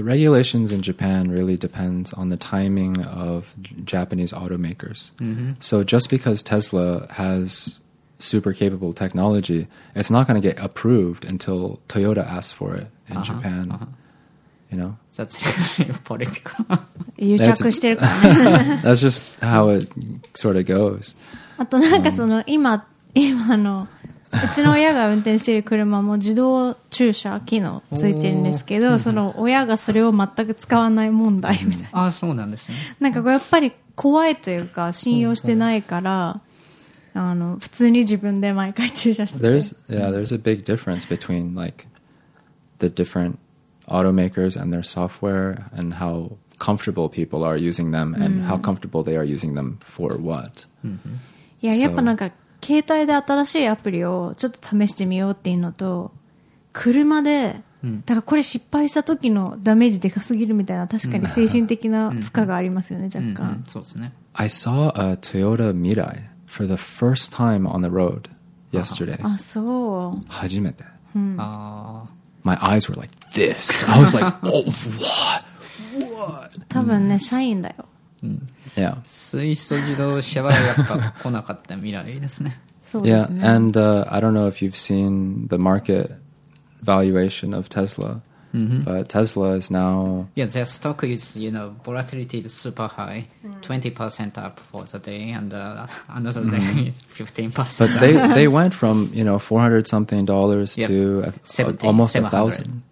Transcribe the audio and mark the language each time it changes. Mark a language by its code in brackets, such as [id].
[en] But regulations in Japan really depends on the timing of Japanese automakers. So just because Tesla has super capable technology, it's not going to get approved until Toyota asks for it in Japan. You know? That's political. [ja] 癒着してるからね。 [en] That's just how it sort of goes. [ja] あとなんかその今のうちの親が運転している車も自動駐車機能ついてるんですけど、その親がそれを全く使わない問題みたいな。あ、そうなんですね。なんかこうやっぱり怖いというか信用してないから、あの普通に自分で毎回駐車してて、 [en] There's a big difference between like the different automakers and their software and how comfortable people are using them and how comfortable they are using them for what. [ja] いや、 やっぱなんか携帯で新しいアプリをちょっと試してみようっていうのと、車でだからこれ失敗した時のダメージでかすぎるみたいな、確かに精神的な負荷がありますよね、若干。そうですね。 [en] I saw a Toyota Mirai for the first time on the road yesterday. [ja] あ、そう。初めて。あ、 [en] My eyes were like this. I was like, oh, what? [ja] 多分ね、社員だよ。 [en] Yeah. [ja] 水素自動車はやっぱ来なかった未来ですね。そうですね。 [en] Yeah, and I don't know if you've seen the market valuation of Tesla, but Tesla is now... Yeah, their stock is, you know, volatility is super high, 20% up for the day, and another day is 15%. But they went from, you know, $400-something to almost 1,000.